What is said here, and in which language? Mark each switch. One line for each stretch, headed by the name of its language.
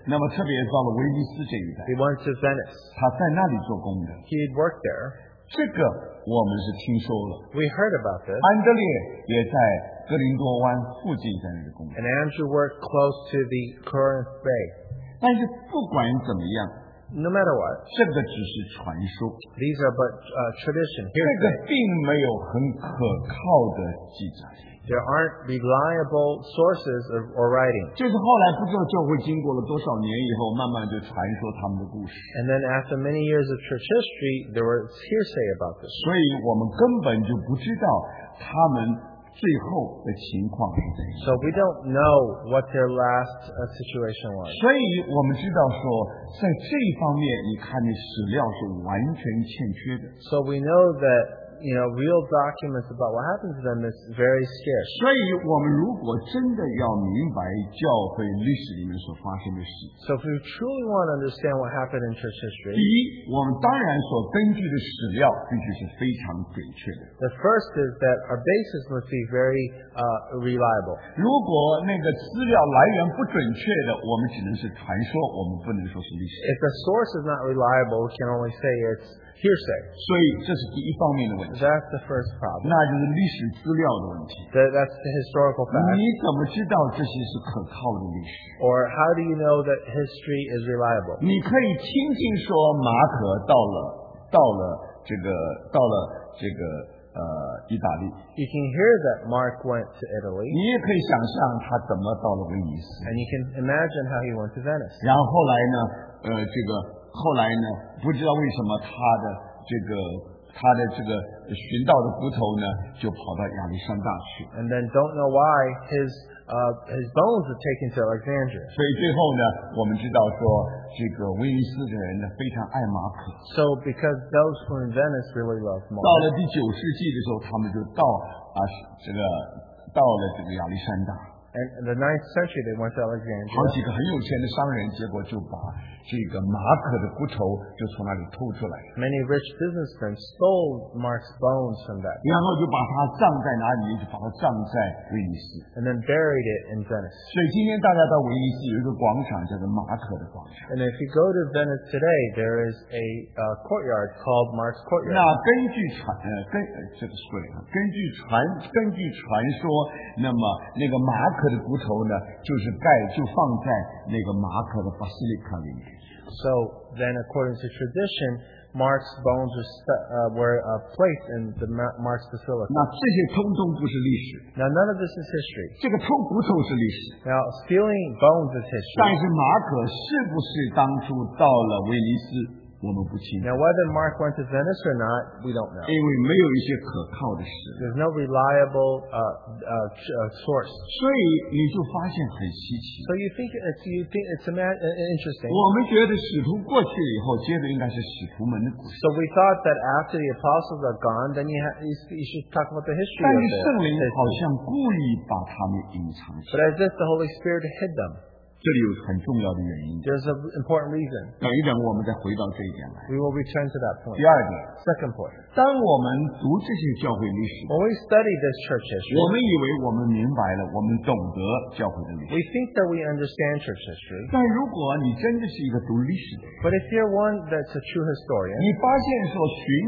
Chinese: 那么特别到了威尼斯这一带。
English: He went to Venice.
Chinese: 他在那里做工的。
English: He had worked there.
Chinese: 这个我们是听说了。
English: We heard about this.
Chinese: 安德烈也在哥林多湾附近在那里工作。
English: And Andrew worked close to the Corinth Bay.
Chinese: 但是不管怎么样。
English: No matter what.
Chinese: 这个只是传说。
English: These are but tradition.
Chinese: 这个并没有很可靠的记载。
English: There aren't reliable sources or writing.
Chinese: 就是后来不知道教会经过了多少年以后，慢慢就传说他们的故事。
English: And then after many years of church history, there was hearsay about this.
Chinese: 所以我们根本就不知道他们最后的情况是怎样。
English: So we don't know what their last situation was.
Chinese: 所以我们知道说，在这一方面，你看你史料是完全欠缺的。
English: So we know that. You know, real documents about what happened to them is very scarce.
Chinese: 所以我们如果真的要明白教会历史里面所发生的事。
English: So if we truly want to understand what happened in church history.
Chinese: 第一，我们当然所根据的史料必须是非常准确的。
English: The first is that our basis must be very reliable.
Chinese: 如果那个资料来源不准确的，我们只能是传说，我们不能说是历史。
English: If the source is not reliable, we can only say it's. Hearsay.
Chinese: 所以这是第一方面的问题。
English: That's the first problem.
Chinese: 那就是历史资料的问题。
English: That's the historical fact.
Chinese: 你怎么知道这些是可靠的历史？
English: Or how do you know that history is reliable?
Chinese: 你可以听听说马可到了这个意大利。
English: You can hear that Mark went to Italy.
Chinese: 你也可以想象他怎么到了威尼斯。
English: And you can imagine how he went to Venice.
Chinese: 然后后来呢，这个。后来呢？不知道为什么他的这个寻道的骨头呢，就跑到亚历山大去。
English: And then don't know why his bones are taken to Alexandria.
Chinese: 所以最后呢，我们知道说这个威尼斯的人呢非常爱马可。
English: So because those who are in Venice really love Mark.
Chinese: 到了第九世纪的时候，他们就到了这个亚历山大。
English: And in the 9th century, they went to Alexandria.
Chinese: 好几个很有钱的商人，结果就把这个马可的骨头就从那里偷出来。
English: Many rich businessmen stole Mark's bones from that.
Chinese: 然后就把它葬在哪里？就把它葬在威尼斯。
English: And then buried it in Venice.
Chinese: 所以今天大家到威尼斯有一个广场叫做马可的广场。
English: And if you go to Venice today, there is a courtyard called Mark's Courtyard.
Chinese: 那根据传说，那么那个马可。马可的骨头呢，就放在那个马可的 basilica 里面。
English: So then, according to tradition, Mark's bones were placed in the Mark's basilica.
Chinese: 那这些通通不是历史。
English: Now none of this is history.
Chinese: 这个偷骨头是历史。
English: Now stealing bones is history.
Chinese: 但是马可是不是当初到了威尼斯？我们不清楚。Now,
English: whether Mark went to Venice or not, we don't know.
Chinese: 因为没有一些可靠的事。
English: There's no reliable source.
Chinese: 所以你就发现很稀奇。
English: So you think it's interesting.
Chinese: 我们觉得使徒过去以后，接着应该是使徒们的故事。
English: So we thought that after the apostles are gone, then you should talk about the history of it.
Chinese: 但是圣灵好像故意把他们隐藏起来。
English: But as if the Holy Spirit hid them.
Chinese: 这里有很重要的原因。
English: There's an important reason.
Chinese: 等一等，我们再回到这一点来。
English: We will return to that point.
Chinese: 第二点。
English: Second point.
Chinese: 当我们读这些教会历史，
English: When we study this church history,
Chinese: 我们以为我们明白了，我们懂得教会的历史。
English: We think that we understand church history.
Chinese: 但如果你真的是一个读历史的人，
English: But if you're one that's a true historian,